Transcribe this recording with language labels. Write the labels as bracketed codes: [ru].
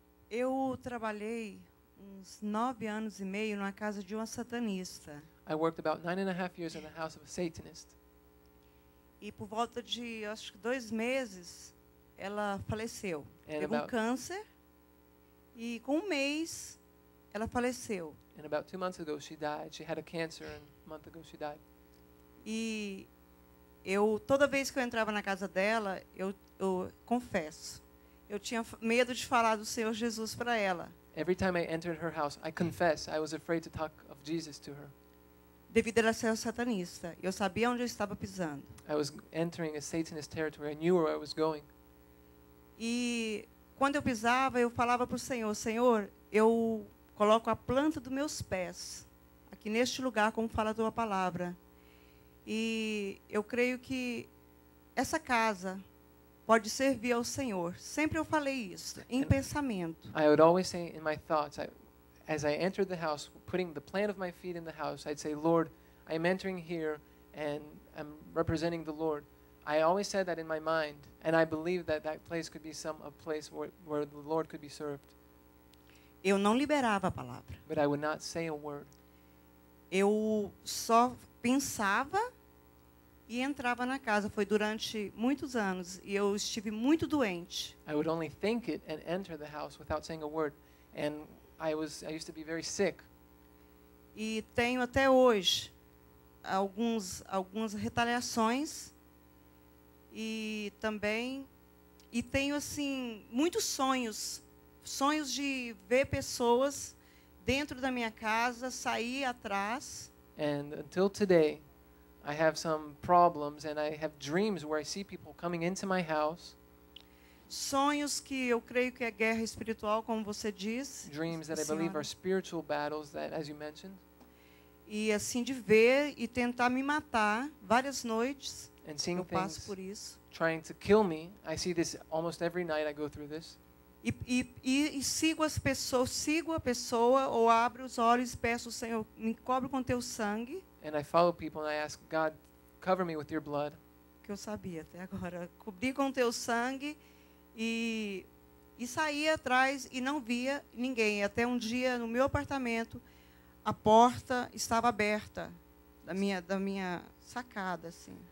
[pt] Eu trabalhei uns 9 anos e meio na casa de uma satanista. [en] I worked about 9.5 years in the house of a Satanist. [pt] E por volta de, acho que 2 meses, ela faleceu. Teve um câncer. E com 1 mês, ela faleceu. [en] And about 2 months ago, she died. She had a cancer, and a month ago, she died. [pt] E eu, toda vez que eu entrava na casa dela, eu confesso, eu tinha medo de falar do Senhor Jesus para ela. [en] Every time I entered her house, I confess, I was afraid to talk of Jesus to her. [pt] Devido a ela ser satanista, eu sabia onde eu estava pisando. [en] I was entering a Satanist territory. I knew where I was going. [pt] E quando eu pisava, eu falava para o Senhor: Senhor, eu coloco a planta dos meus pés aqui neste lugar, como fala a tua palavra. E eu creio que essa casa pode servir ao Senhor. Sempre eu falei isso, em pensamento. [en] I would always say in my thoughts, as I entered the house, putting the plant of my feet in the house, I'd say, Lord, I'm entering here and I'm representing the Lord. I always said that in my mind, and I believe that that place could be a place where the Lord could be served. [pt] Eu não liberava a palavra. [en] But I would not say a word. [pt] Eu só pensava e entrava na casa. Foi durante muitos anos e eu estive muito doente. [en] I would only think it and enter the house without saying a word, and I used to be very sick. [pt] E tenho até hoje algumas retaliações. E também, e tenho assim muitos sonhos de ver pessoas dentro da minha casa sair atrás. [en] And until today, I have some problems and I have dreams where I see people coming into my house. [pt] Sonhos que eu creio que é guerra espiritual, como você diz. [en] Dreams that I believe are spiritual battles, that, as you mentioned. [pt] E assim de ver e tentar me matar várias noites. [en] And seeing [pt] eu passo por isso. [en] Trying to kill me, I see this almost every night. I go through this. [pt] E sigo as pessoas, sigo a pessoa ou abro os olhos e peço ao Senhor, me cobre com teu sangue. [en] And I follow people and I ask God, cover me with your blood. [pt] Que eu sabia até agora, cobri com teu sangue e saía atrás e não via ninguém. Até um dia no meu apartamento, a porta estava aberta da minha sacada assim.